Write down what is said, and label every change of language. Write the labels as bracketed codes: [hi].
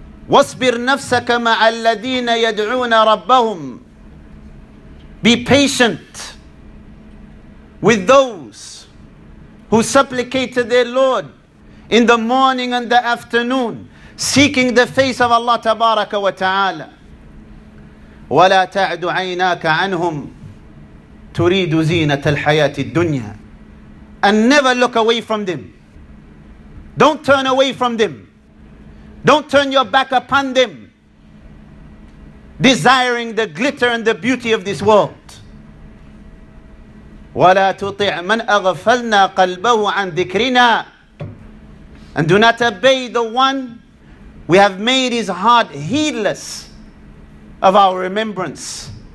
[ar] وَاصْبِرْ نَفْسَكَ مَعَ الَّذِينَ يَدْعُونَ رَبَّهُمْ [en] Be patient with those who supplicate to their Lord in the morning and the afternoon. Seeking the face of Allah Tabaraka wa Ta'ala. [ar] وَلَا تَعْدُ عَيْنَاكَ عَنْهُمْ تُرِيدُ زِينَةَ الْحَيَاةِ الدُّنْيَا [en] And never look away from them. Don't turn away from them. Don't turn your back upon them. Desiring the glitter and the beauty of this world. [ar] وَلَا تُطِعْ مَنْ أَغْفَلْنَا قَلْبَهُ عَنْ ذِكْرِنَا [en] And do not obey the one We have made his heart heedless of our remembrance.